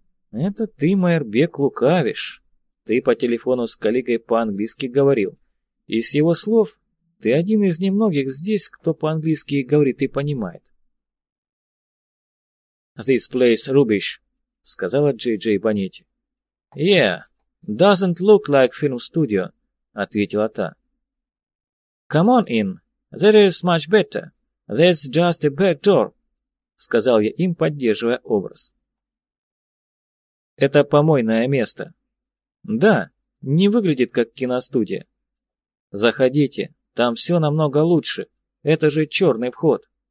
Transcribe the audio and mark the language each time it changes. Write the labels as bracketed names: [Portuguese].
[Russian] «Это ты, Майербек, лукавишь. Ты по телефону с коллегой по-английски говорил. И с его слов, ты один из немногих здесь, кто по-английски говорит и понимает». [English] «This place rubbish», — [Russian] сказала [English] Джей Джей Бонетти. «Yeah, doesn't look like film studio», — [Russian] ответила та. [English] «Come on in, there is much better. That's just a back door», [Russian] — сказал я им, поддерживая образ. «Это помойное место». «Да, не выглядит как киностудия». «Заходите, там все намного лучше. Это же черный вход».